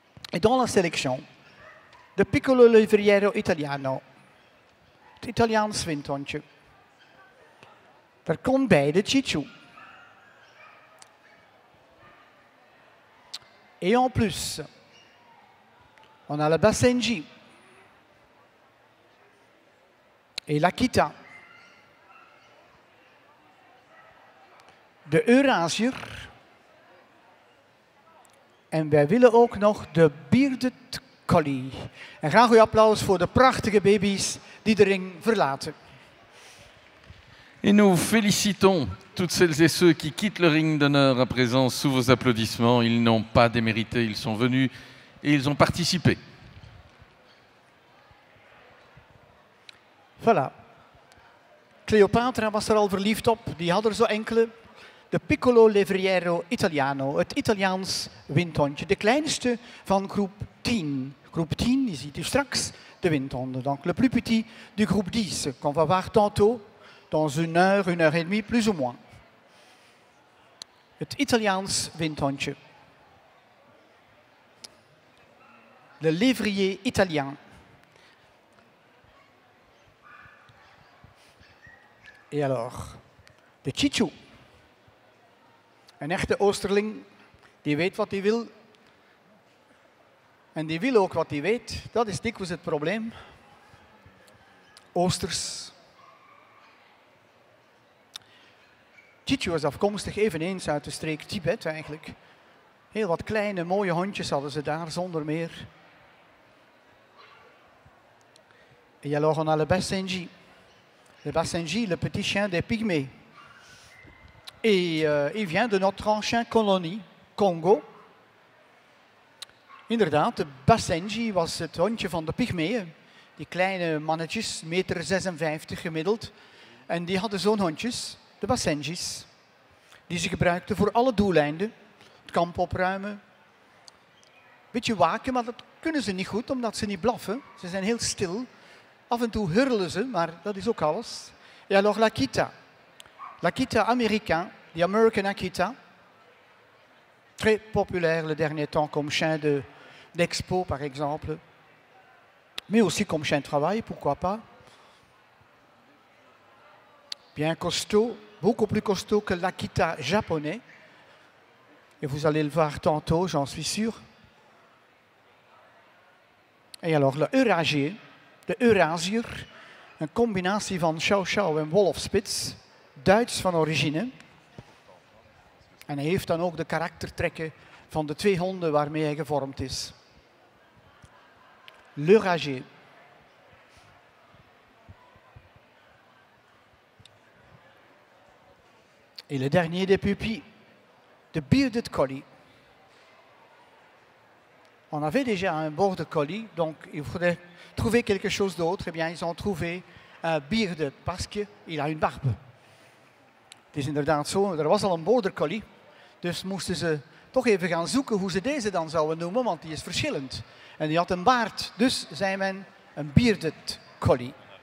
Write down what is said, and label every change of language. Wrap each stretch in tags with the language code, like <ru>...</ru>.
<fr>Et dans la sélection, de Piccolo Levriero Italiano.</fr> <nl>Het Italiaans windhondje. Daar komt bij de Chichu.</nl> <fr>Et en plus, on a le Basenji. Et l'Akita.</fr> <nl>De Eurasier. En wij willen ook nog de Bearded Collie. En graag uw applaus voor de prachtige baby's die de ring verlaten.</nl> <fr>Et nous félicitons toutes celles et ceux qui quittent le ring d'honneur à présent sous vos applaudissements. Ils n'ont pas démérité, ils sont venus et ils ont participé.</fr> <nl>Voilà. Cléopatra was er al verliefd op, die had er zo enkele. De Piccolo Levriero Italiano, het Italiaans windhondje. De kleinste van groep 10. Groep 10, die ziet u straks, de windhonden.</nl> <fr>Donc le plus petit du groupe 10, qu'on va voir tantôt. Dans une heure et demie, plus ou moins.</fr> <nl>Het Italiaans windhondje.</nl> <fr>Le lévrier italien. Et alors, de Chichu.</fr> <nl>Een echte Oosterling, die weet wat hij wil. En die wil ook wat hij weet. Dat is dikwijls het probleem. Oosters. Titjo was afkomstig eveneens uit de streek Tibet eigenlijk. Heel wat kleine mooie hondjes hadden ze daar zonder meer.</nl> <fr>Et alors on a le Basenji. Le Basenji, le petit chien des pygmées. Et il vient de notre ancien colonie, Congo.</fr> <nl>Inderdaad, de Basenji was het hondje van de pygmeeën. Die kleine mannetjes, 1,56 meter gemiddeld. En die hadden zo'n hondjes, de Basenjis. Die ze gebruikten voor alle doeleinden. Het kamp opruimen. Beetje waken, maar dat kunnen ze niet goed, omdat ze niet blaffen. Ze zijn heel stil. Af en toe hurlen ze, maar dat is ook alles.</nl> <fr>Et alors l'Akita. L'Akita américain, the American Akita. Très populaire le dernier temps comme chien d'expo, par exemple. Mais aussi comme chien de travail, pourquoi pas. Bien costaud, beaucoup plus costaud que l'Akita japonais. Et vous allez le voir tantôt, j'en suis sûr. Et alors le Eurasier.</fr> <nl>De Eurasier, een combinatie van Chow Chow en Wolfspitz, Duits van origine. En hij heeft dan ook de karaktertrekken van de twee honden waarmee hij gevormd is.</nl> <fr>L'Eurasier. Et le dernier des pupilles, de Bearded Collie. On avait déjà un Border Collie, donc il faudrait trouver quelque chose d'autre. Eh bien, ils ont trouvé un bearded, parce qu'il a une barbe.</fr> <nl>Het is inderdaad zo, er was al een Border Collie. Dus moesten ze toch even gaan zoeken hoe ze deze dan zouden noemen, want die is verschillend. En die had een baard, dus zei men een Bearded Collie.</nl>